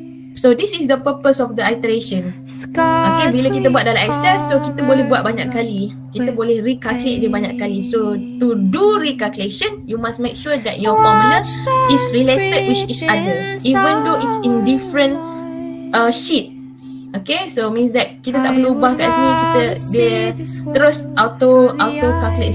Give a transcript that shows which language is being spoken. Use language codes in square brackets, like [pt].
[en] So this is the purpose of the iteration. [ms] Okay, bila kita buat dalam Excel, so kita boleh buat banyak kali. Kita boleh recalculate dia banyak kali. [en] So to do recalculation, you must make sure that your formula is related with each other, even though it's in different sheet. Okay, so means that [ms] kita tak perlu ubah kat sini, kita dia terus auto calculate.